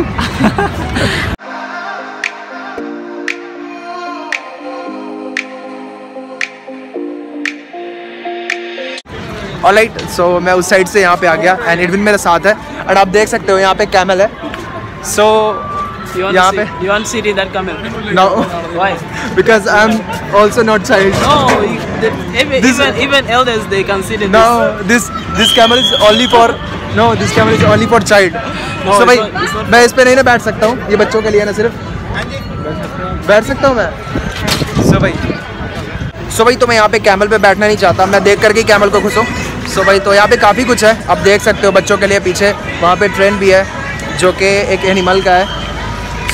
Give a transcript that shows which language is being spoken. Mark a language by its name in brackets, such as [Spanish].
[Hindi] All right, सो मैं उस side से यहाँ पे आ गया एंड एडविन मेरे साथ है एंड आप देख सकते हो यहाँ पे कैमल है। सो [English] You want to sit in that camel? No. Why? Because I'm also not child. No, you, elders they consider this. No, this camera is only for child. No, so [Hindi] भाई मैं इस पे नहीं ना बैठ सकता हूँ, ये बच्चों के लिए ना सिर्फ बैठ सकता हूँ मैं. सो भाई तो मैं यहाँ पे कैमल पे बैठना नहीं चाहता, मैं देख करके कैमल को खुश हूँ. सो भाई तो यहाँ पे काफ़ी कुछ है, आप देख सकते हो बच्चों के लिए पीछे वहाँ पे ट्रेन भी है जो कि एक एनिमल का है.